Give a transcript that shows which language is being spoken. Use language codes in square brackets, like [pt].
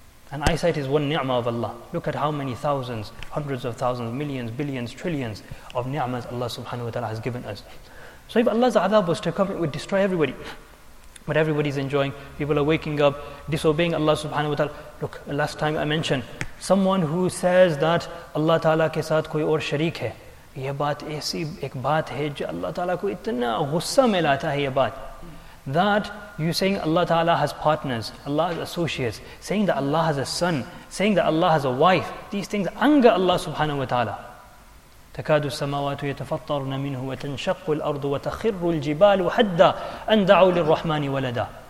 [en] And eyesight is one ni'mah of Allah. Look at how many thousands, hundreds of thousands, millions, billions, trillions of ni'mahs Allah subhanahu wa ta'ala has given us. So if Allah's azab was to come, it would destroy everybody. But everybody's enjoying, people are waking up, disobeying Allah subhanahu wa ta'ala. Look, last time I mentioned, someone who says that [ur] Allah ta'ala ke saath koi aur sharik hai. یہ بات ایسی ایک بات ہے جو اللہ تعالیٰ کو اتنا غصہ ملاتا ہے یہ بات [en] that you saying Allah Ta'ala has partners, Allah has associates, saying that Allah has a son, saying that Allah has a wife, these things anger Allah Subhanahu wa Ta'ala. [ar] تَكَادُ السَّمَاوَاتُ يَتَفَطَّرْنَ مِنْهُ وَتَنْشَقُّ الْأَرْضُ وَتَخِرُّ الْجِبَالُ وَحَدَّ أَنْ دَعُوا لِلرَّحْمَنِ وَلَدًا.